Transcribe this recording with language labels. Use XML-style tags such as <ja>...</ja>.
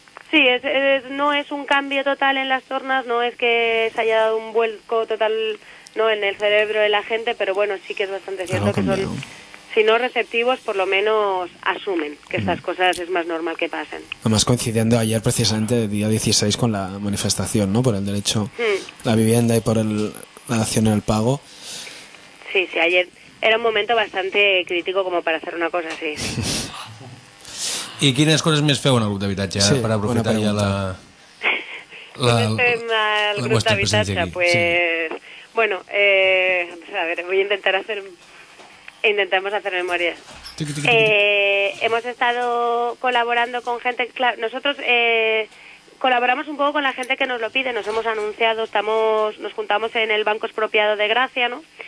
<es>Sí, no es un cambio total en las tornas, no es que se haya dado un vuelco total, no, en el cerebro de la gente, pero bueno, sí que es bastante cierto que son, si no receptivos, por lo menos asumen que estas cosas es más normal que pasen. Además, coincidiendo ayer precisamente, día 16, con la manifestación, ¿no?, por el derecho a la vivienda y por la acción en el pago. Sí, sí, ayer era un momento bastante crítico como para hacer una cosa así.</es> <ca>¿Y quines coses més feu en el grup d'habitatge? Sí, per aprofitar ja la... El grup d'habitatge, pues... Sí.</ca> <es>Bueno, a ver, voy a intentar hacer... Intentamos hacer memoria. Hemos estado colaborando con gente... Claro, nosotros colaboramos un poco con la gente que nos lo pide. Nos hemos anunciado, nos juntamos en el Banco Expropiado de Gracia, ¿no?</es>